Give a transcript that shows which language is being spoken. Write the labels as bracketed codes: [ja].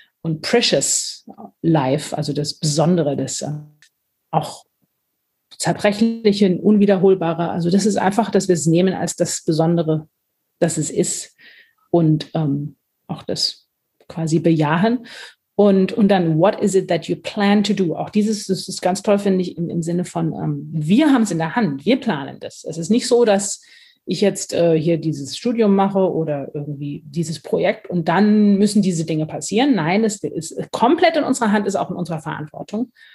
[de] Und [en] precious life, [de] also das Besondere, das auch zerbrechliche, unwiederholbare, also das ist einfach, dass wir es nehmen als das Besondere, das es ist. Und auch das quasi bejahen. Und dann, [en] what is it that you plan to do? [de] Auch dieses, das ist ganz toll, finde ich, im Sinne von, wir haben es in der Hand, wir planen das. Es ist nicht so, dass ich jetzt hier dieses Studium mache oder irgendwie dieses Projekt und dann müssen diese Dinge passieren. Nein, es ist komplett in unserer Hand, ist auch in unserer Verantwortung.